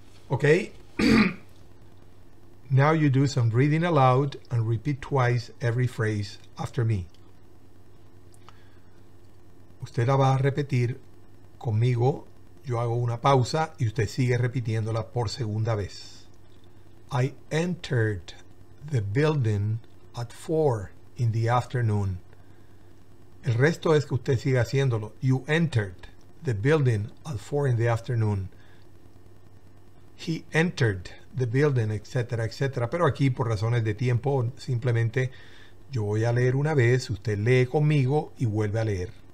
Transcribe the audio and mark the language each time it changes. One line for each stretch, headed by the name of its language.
English: Okay, now you do some reading aloud and repeat twice every phrase after me.
Spanish: Usted la va a repetir conmigo, yo hago una pausa y usted sigue repitiéndola por segunda vez.
English: I entered the building at 4 in the afternoon.
Spanish: El resto es que usted siga haciéndolo.
English: You entered the building at 4 in the afternoon. He entered the building, etcétera, etcétera.
Spanish: Pero aquí, por razones de tiempo, simplemente yo voy a leer una vez, usted lee conmigo y vuelve a leer.